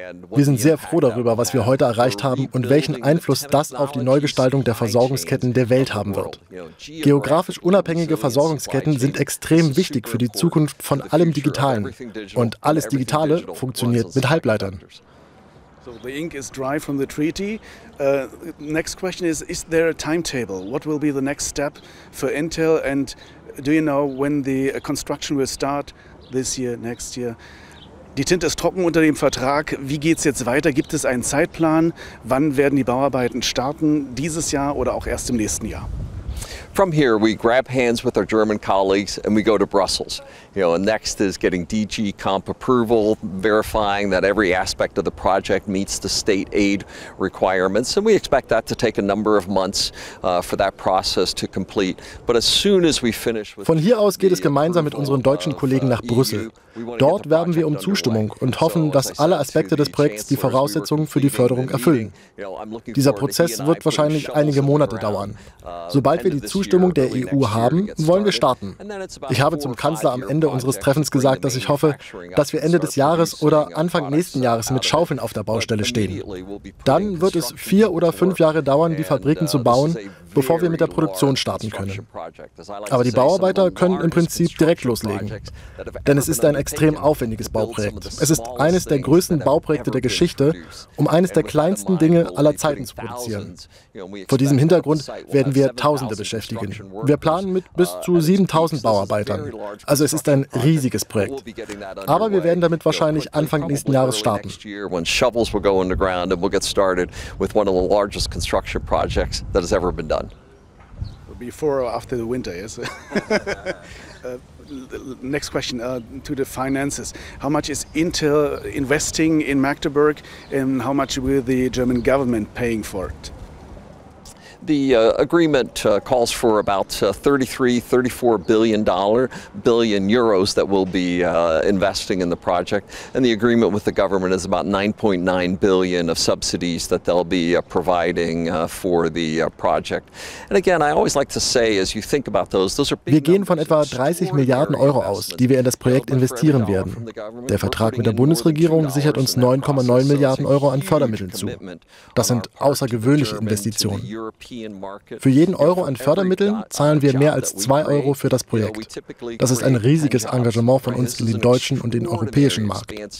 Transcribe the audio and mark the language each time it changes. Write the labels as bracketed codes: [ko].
[de] Wir sind sehr froh darüber, was wir heute erreicht haben und welchen Einfluss das auf die Neugestaltung der Versorgungsketten der Welt haben wird. Geografisch unabhängige Versorgungsketten sind extrem wichtig für die Zukunft von allem Digitalen. Und alles Digitale funktioniert mit Halbleitern. [en] So the ink is dry from the treaty. Next question is there a timetable? What will be the next step for Intel? And do you know when the construction will start this year, next year? [de] Die Tinte ist trocken unter dem Vertrag. Wie geht es jetzt weiter? Gibt es einen Zeitplan? Wann werden die Bauarbeiten starten? Dieses Jahr oder auch erst im nächsten Jahr? [en] From here we grab hands with our German colleagues and we go to Brussels. You know, and next is getting DG Comp approval, verifying that every aspect of the project meets the state aid requirements, and we expect that to take a number of months for that process to complete. But as soon as we finish with [de] von hier aus geht es gemeinsam mit unseren deutschen Kollegen nach Brüssel. Dort werben wir um Zustimmung und hoffen, dass alle Aspekte des Projekts die Voraussetzungen für die Förderung erfüllen. Dieser Prozess wird wahrscheinlich einige Monate dauern. Sobald wir die Zustimmung der EU haben, wollen wir starten. Ich habe zum Kanzler am Ende unseres Treffens gesagt, dass ich hoffe, dass wir Ende des Jahres oder Anfang nächsten Jahres mit Schaufeln auf der Baustelle stehen. Dann wird es 4 oder 5 Jahre dauern, die Fabriken zu bauen, bevor wir mit der Produktion starten können. Aber die Bauarbeiter können im Prinzip direkt loslegen. Denn es ist ein extrem aufwendiges Bauprojekt. Es ist eines der größten Bauprojekte der Geschichte, um eines der kleinsten Dinge aller Zeiten zu produzieren. Vor diesem Hintergrund werden wir Tausende beschäftigen. Wir planen mit bis zu 7000 Bauarbeitern. Also es ist ein riesiges Projekt. Aber wir werden damit wahrscheinlich Anfang nächsten Jahres starten. [en] When shovels will go in the ground and we'll get started with one of the largest construction projects that has ever been done. Before or after the winter, yes? Next question to the finances. How much is Intel investing in Magdeburg and how much will the German government paying for it? The agreement calls for about 33-34 billion euros that we'll be investing in the project, and the agreement with the government is about 9.9 billion of subsidies that they'll be providing for the project. And again, I always like to say, as you think about those are. [de] Wir gehen von etwa 30 Milliarden Euro aus, die wir in das Projekt investieren werden. Der Vertrag mit der Bundesregierung sichert uns 9,9 Milliarden Euro an Fördermitteln zu. Das sind außergewöhnliche Investitionen. Für jeden Euro an Fördermitteln zahlen wir mehr als 2 Euro für das Projekt. Das ist ein riesiges Engagement von uns in den deutschen und den europäischen Markt.